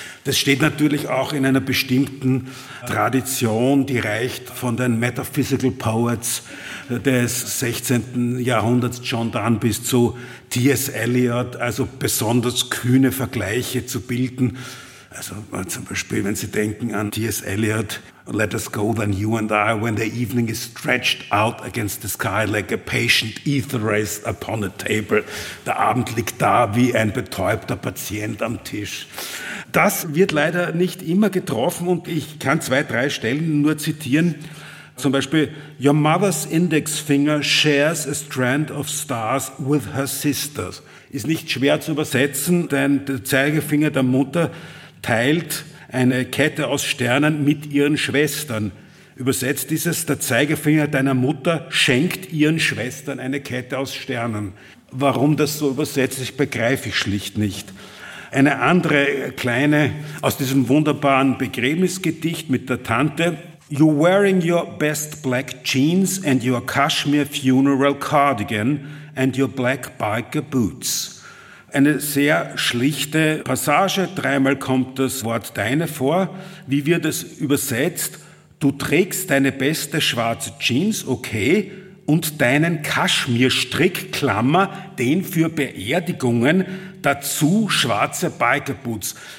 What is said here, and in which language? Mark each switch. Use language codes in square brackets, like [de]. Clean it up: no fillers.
[de] Das steht natürlich auch in einer bestimmten Tradition, die reicht von den Metaphysical Poets des 16. Jahrhunderts, John Donne, bis zu T.S. Eliot, also besonders kühne Vergleiche zu bilden. Also zum Beispiel, wenn Sie denken an T.S. [en] Eliot, let us go then you and I when the evening is stretched out against the sky like a patient etherist upon a table. [de] Der Abend liegt da wie ein betäubter Patient am Tisch. Das wird leider nicht immer getroffen und ich kann zwei, drei Stellen nur zitieren. Zum Beispiel, [en] your mother's index finger shares a strand of stars with her sisters. [de] Ist nicht schwer zu übersetzen, denn der Zeigefinger der Mutter teilt eine Kette aus Sternen mit ihren Schwestern. Übersetzt ist es, der Zeigefinger deiner Mutter schenkt ihren Schwestern eine Kette aus Sternen. Warum das so übersetzt ist, begreife ich schlicht nicht. Eine andere kleine aus diesem wunderbaren Begräbnisgedicht mit der Tante. [en] You're wearing your best black jeans and your cashmere funeral cardigan and your black biker boots. [de] Eine sehr schlichte Passage. Dreimal kommt das Wort deine vor. Wie wird es übersetzt? Du trägst deine beste schwarze Jeans, okay, und deinen Kaschmirstrick, Klammer, den für Beerdigungen, dazu schwarze Bikerboots.